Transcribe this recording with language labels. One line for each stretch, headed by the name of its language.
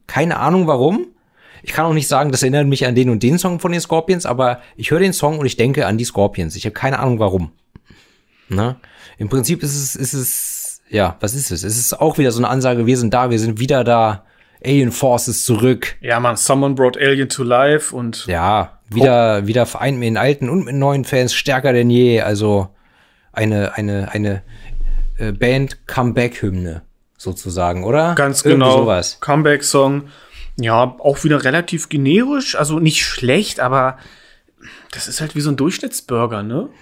German: Keine Ahnung warum. Ich kann auch nicht sagen, das erinnert mich an den und den Song von den Scorpions, aber ich höre den Song und ich denke an die Scorpions. Ich habe keine Ahnung warum. Ne? Im Prinzip ist es, ja, was ist es? Es ist auch wieder so eine Ansage, wir sind da, wir sind wieder da. Alien Force ist zurück.
English: Ja, man, someone brought Alien to life und.
German: Ja, wieder vereint mit den alten und mit neuen Fans, stärker denn je, also. Eine Band-Comeback-Hymne sozusagen, oder? Ganz genau. Sowas. Comeback-Song. Ja, auch wieder relativ generisch, also nicht schlecht, aber das ist halt wie so ein Durchschnittsburger, ne?